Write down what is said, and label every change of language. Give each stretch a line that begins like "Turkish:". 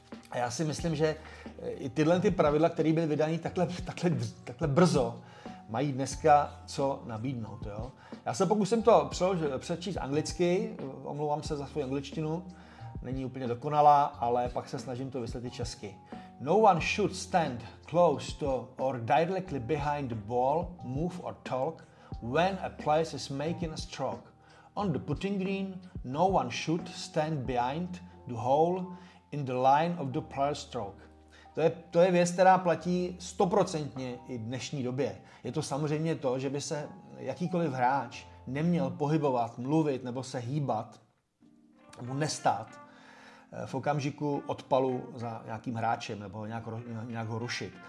Czech: A já si myslím, že i tyhle ty pravidla, které byly vydané takhle brzo, mají dneska co nabídnout. Jo? Já se pokusím to přečíst anglicky, omlouvám se za svou angličtinu, není úplně dokonalá, ale pak se snažím to vysvětlit česky.
English: No one should stand close to or directly behind the ball, move or talk when a player is making a stroke. On the putting green, no one should stand behind the hole in the line of the player stroke.
Czech: To je věc, která platí 100% i v dnešní době. Je to samozřejmě to, že by se jakýkoliv hráč neměl pohybovat, mluvit nebo se hýbat, nebo nestát v okamžiku odpalu za nějakým hráčem nebo nějak ho rušit.